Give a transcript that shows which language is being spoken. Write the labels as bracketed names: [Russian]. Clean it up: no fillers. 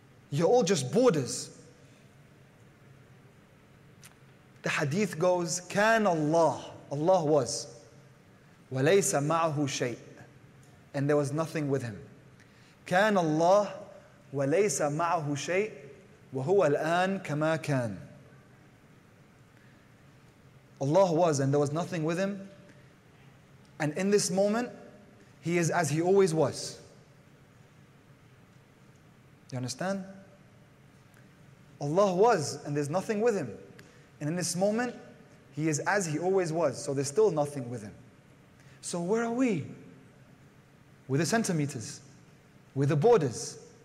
[English] You're all just borders. The hadith goes, Kan Allah, Allah was, [Arabic] وَلَيْسَ مَعْهُ شَيْءٍ, [English] and there was nothing with him. [Arabic] Kan Allah, وَلَيْسَ مَعْهُ شَيْءٍ, وَهُوَ الْآنَ كَمَا كَانَ. [English] Allah was, and there was nothing with him. And in this moment, he is as he always was. You understand? Allah was, and there's nothing with him. And in this moment, he is as he always was. So there's still nothing with him. So where are we? With the centimeters. With the borders.